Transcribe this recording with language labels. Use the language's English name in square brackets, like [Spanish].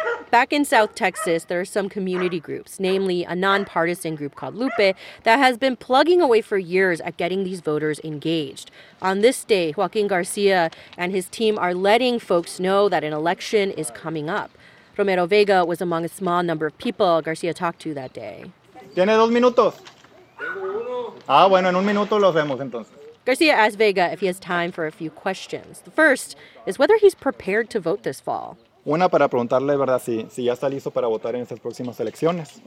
[English] Back in South Texas, there are some community groups, namely a nonpartisan group called Lupe, that has been plugging away for years at getting these voters engaged. On this day, Joaquin Garcia and his team are letting folks know that an election is coming up. Romero Vega was among a small number of people Garcia talked to that day. [Spanish] Tiene dos minutos. Ah, bueno, en un minuto lo vemos, entonces. [English] Garcia asks Vega if he has time for a few questions. The first is whether he's prepared to vote this fall. [Spanish] Una para preguntarle, verdad, si ya está listo para votar en estas próximas elecciones.